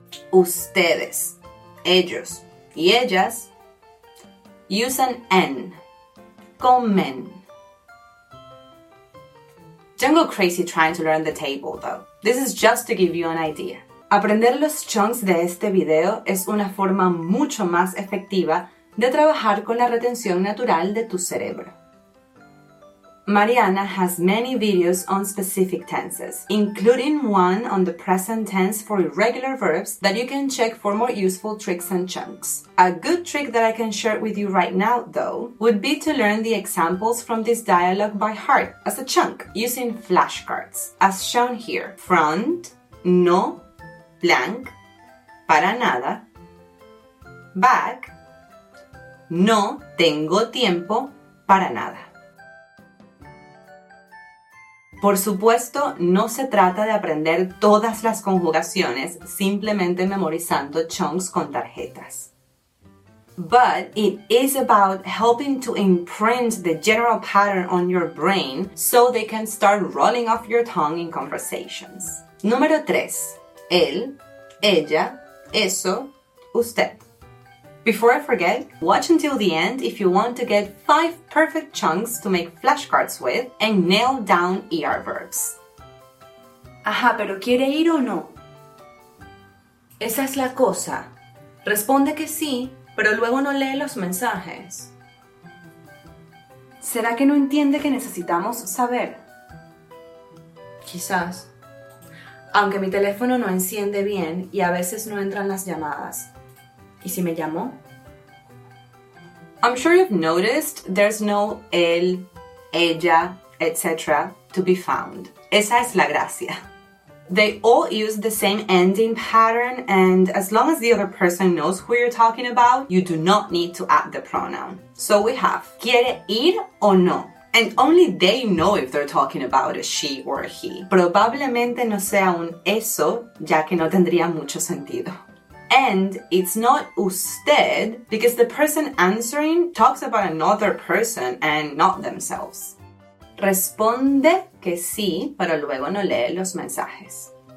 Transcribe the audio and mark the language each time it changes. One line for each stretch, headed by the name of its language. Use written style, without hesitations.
Spanish: Ustedes, ellos, y ellas,
English: use an N.
Spanish: Comen.
English: Don't go crazy trying to learn the table, though. This is just to give you an idea.
Spanish: Aprender los chunks de este video es una forma mucho más efectiva de trabajar con la retención natural de tu cerebro.
English: Mariana has many videos on specific tenses, including one on the present tense for irregular verbs that you can check for more useful tricks and chunks. A good trick that I can share with you right now, though, would be to learn the examples from this dialogue by heart as a chunk using flashcards, as shown here.
Spanish: Front, no, blank, para nada. Back, no tengo tiempo para nada. Por supuesto, no se trata de aprender todas las conjugaciones simplemente memorizando chunks con tarjetas.
English: But it is about helping to imprint the general pattern on your brain so they can start rolling off your tongue in conversations.
Spanish: Número 3. Él, ella, eso, usted.
English: Before I forget, watch until the end if you want to get 5 perfect chunks to make flashcards with and nail down ER verbs.
Spanish: Ajá, pero ¿quiere ir o no? Esa es la cosa. Responde que sí, pero luego no lee los mensajes. ¿Será que no entiende que necesitamos saber? Quizás. Aunque mi teléfono no enciende bien y a veces no entran las llamadas. ¿Y si me llamó?
English: I'm sure you've noticed there's no él, ella, etc. to be found.
Spanish: Esa es la gracia.
English: They all use the same ending pattern, and as long as the other person knows who you're talking about, you do not need to add the pronoun. So we have,
Spanish: ¿quiere ir o no?
English: And only they know if they're talking about a she or a he.
Spanish: Probablemente no sea un eso, ya que no tendría mucho sentido.
English: And it's not usted, because the person answering talks about another person and not themselves.
Spanish: Responde que sí, pero luego no lee los mensajes.